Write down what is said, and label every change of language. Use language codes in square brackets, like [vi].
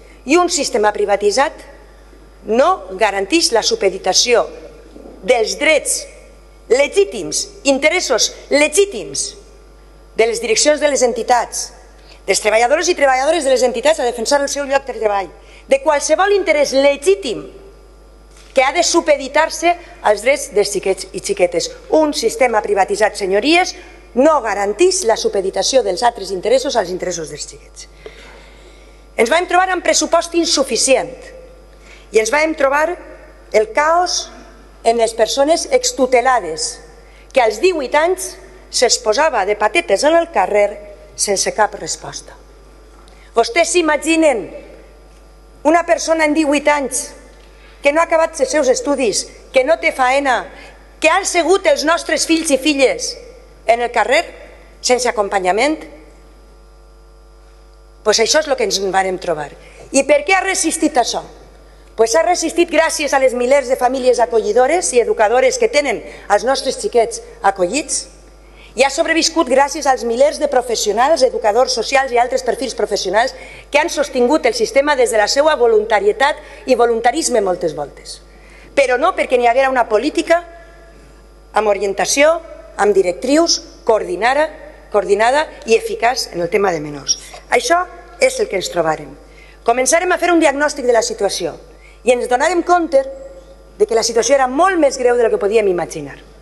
[es] Y un sistema privatizado no garantiza la supeditación de los derechos legítimos, intereses legítimos de las direcciones de las entidades, de los trabajadores y trabajadoras de las entidades a [ca] defensar el seu lloc de treball, [es] de cualquier interés legítimo que ha de supeditarse a los derechos de chiquets y chiquetes. Un sistema privatizado, señorías, no garantiza la supeditación de los otros intereses a los intereses de los chiquets. [ca] Ens vam trobar amb pressupost insuficient i ens vam trobar el caos en les persones extutelades que als 18 anys s'exposava de patetes en el carrer sense cap resposta. Vostès s'imaginen una persona en 18 anys que no ha acabat els seus estudis, que no té faena, que ha segut els nostres fills i filles en el carrer sense acompanyament? [es] Pues eso es lo que nos van a trobar. ¿Y por qué ha resistido eso? Pues ha resistido gracias a los milers de familias acollidores y educadores que tienen a nuestros chiquets acollits, y ha sobreviscut gracias a los milers de profesionales, educadores sociales y otros perfiles profesionales que [ca] han sostingut [es] el sistema desde la seva voluntariedad y voluntarisme [ca] moltes voltes. [es] Pero no porque ni haguera una política [ca] amb orientació, amb directrius, [es] coordinada y eficaz en el tema de menors. [ca] Això es el que ens trobarem. Començarem a fer un diagnòstic de la situació i ens donarem compte de que la situació era molt més greu de lo que podíem imaginar.